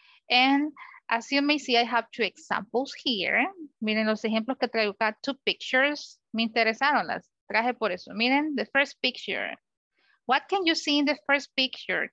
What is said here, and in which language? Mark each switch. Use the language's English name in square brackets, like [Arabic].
[English] And as you may see, I have two examples here. [Spanish] Miren los ejemplos que traigo acá, [English] two pictures. [Spanish] Me interesaron las, traje por eso. Miren, [English] the first picture. What can you see in the first picture?